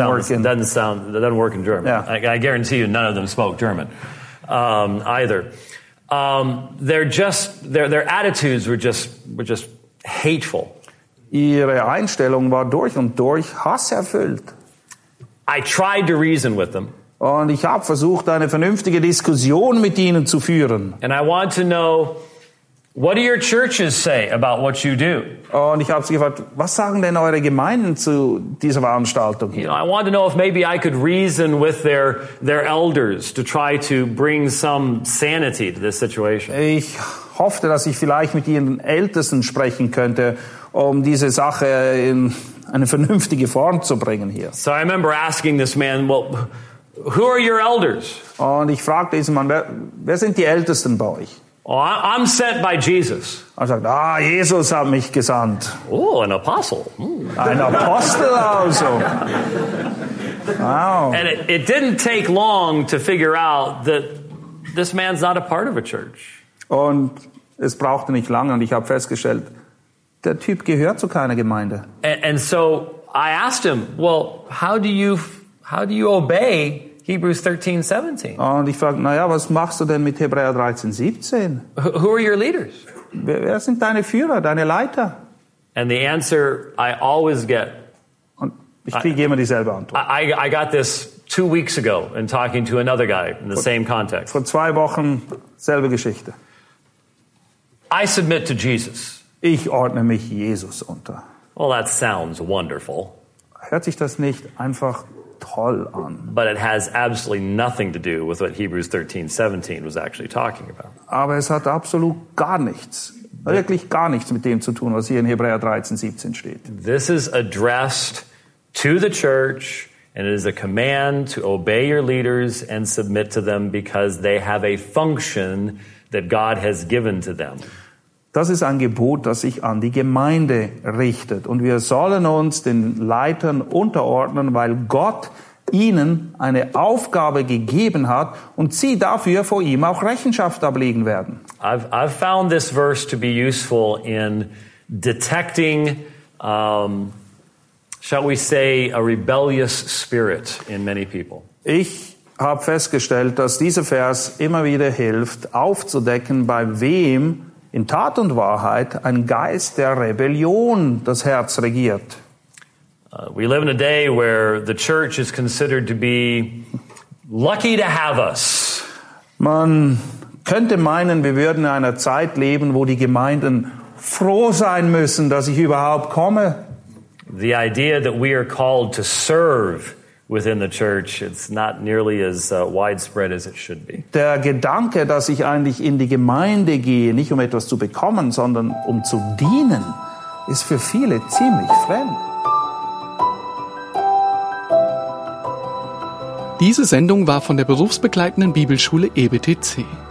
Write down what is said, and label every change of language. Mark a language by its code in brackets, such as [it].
[en] It doesn't work in German. Yeah. I guarantee you none of them spoke German either. Their attitudes were just hateful. [de] Ihre Einstellung war durch und durch hasserfüllt. [en] I tried to reason with them. [de] Und ich habe versucht, eine vernünftige Diskussion mit ihnen zu führen. [en] And I want to know, what do your churches say about what you do? [de] Und ich habe sie gefragt, was sagen denn eure Gemeinden zu dieser Veranstaltung hier? [en] You know, I want to know if maybe I could reason with their elders to try to bring some sanity to this situation. [de] Ich hoffte, dass ich vielleicht mit ihren Ältesten sprechen könnte, um diese Sache in eine vernünftige Form zu bringen hier. [en] So I remember asking this man, well, who are your elders? [de] Und ich fragte diesen Mann, wer sind die Ältesten bei euch? [en] Oh, I'm sent by Jesus. [de] Er sagt, ah, Jesus hat mich gesandt. [en] Oh, an apostle. [de] Mm. Ein Apostel also. Wow. [en] And it didn't take long to figure out that this man's not a part of a church. [de] Und es brauchte nicht lange und ich habe festgestellt, der Typ gehört zu keiner Gemeinde. [en] And so I asked him, well, how do you obey Hebrews 13:17? [de] Und ich frage, na ja, was machst du denn mit Hebräer 13:17? [en] Who are your leaders? [de] Wer sind deine Führer, deine Leiter? [en] And the answer I always get. [de] Und ich kriege immer dieselbe Antwort. [en] I got this 2 weeks ago in talking to another guy in the same context. [de] Vor 2 Wochen selbe Geschichte. [en] I submit to Jesus. [de] Ich ordne mich Jesus unter. [en] Well, that sounds wonderful. [de] Hört sich das nicht einfach toll an. [en] But it has absolutely nothing to do with what Hebrews 13:17 was actually talking about. [de] Aber es hat absolut gar nichts, wirklich gar nichts mit dem zu tun, was hier in Hebräer 13:17 steht. [en] This is addressed to the church, and it is a command to obey your leaders and submit to them because they have a function that God has given to them. [de] Das ist ein Gebot, das sich an die Gemeinde richtet. Und wir sollen uns den Leitern unterordnen, weil Gott ihnen eine Aufgabe gegeben hat und sie dafür vor ihm auch Rechenschaft ablegen werden. [en] I've found this verse to be useful in detecting, shall we say, a rebellious spirit in many people. [de] Ich habe festgestellt, dass dieser Vers immer wieder hilft, aufzudecken, bei wem in Tat und Wahrheit ein Geist der Rebellion das Herz regiert. [en] We live in a day where the church is considered to be lucky to have us. [de] Man könnte meinen, wir würden in einer Zeit leben, wo die Gemeinden froh sein müssen, dass ich überhaupt komme. [en] The idea that we are called to serve within the church, it's not nearly as widespread as it should be. [de] Der Gedanke, dass ich eigentlich in die Gemeinde gehe, nicht um etwas zu bekommen, sondern um zu dienen, ist für viele ziemlich fremd. Diese Sendung war von der berufsbegleitenden Bibelschule EBTC.